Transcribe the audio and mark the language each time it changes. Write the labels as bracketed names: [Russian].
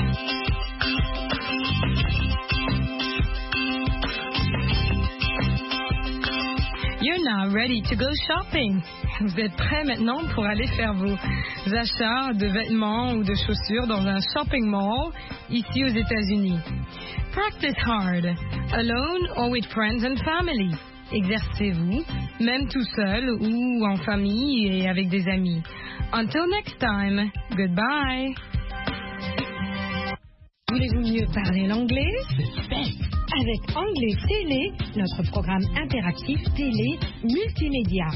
[English] You're not now ready to go shopping. [French] Vous êtes prêt maintenant pour aller faire vos achats de vêtements ou de chaussures dans un shopping mall ici aux États-Unis. [English] Practice hard, alone or with friends and family. [French] Exercez-vous, même tout seul ou en famille et avec des amis. [English] Until next time, goodbye. [French] Voulez-vous mieux parler l'anglais? Avec Anglais Télé, notre programme interactif télé multimédia.